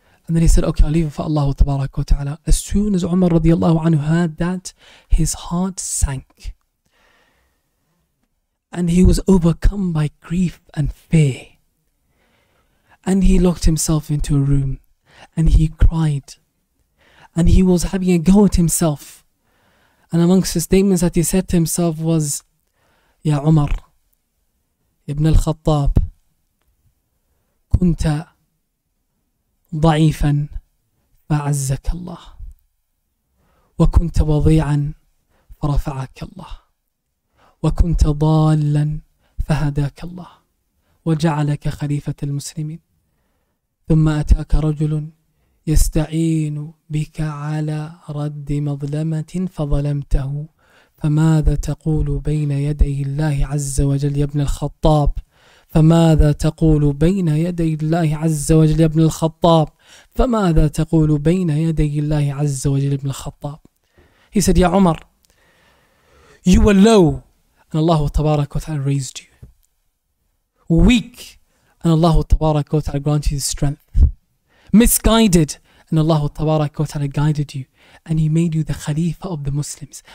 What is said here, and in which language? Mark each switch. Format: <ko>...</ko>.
<en>And then he said, okay, I'll leave it for Allah tabaraka wa ta'ala. As soon as Umar radiallahu anhu heard that, his heart sank and he was overcome by grief and fear. And he locked himself into a room and he cried and he was having a go at himself. And amongst the statements that he said to himself was, Ya Umar ibn al-Khattab,</en> <ar>kunta ضعيفا فعزك الله وكنت وضيعا فرفعك الله وكنت ضالا فهداك الله وجعلك خليفة المسلمين ثم أتاك رجل يستعين بك على رد مظلمة فظلمته فماذا تقول بين يدي الله عز وجل يا ابن الخطاب فماذا تقول بين يدي الله عز وجل يا ابن الخطاب فماذا تقول بين يدي الله عز وجل ابن الخطاب.</ar> <en>He said, Ya Umar, you were low and Allah tabarak wa ta'ala raised you. Weak and Allah tabarak wa ta'ala granted you strength. Misguided and Allah tabarak wa ta'ala guided you and he made you the Khalifa of the Muslims.</en>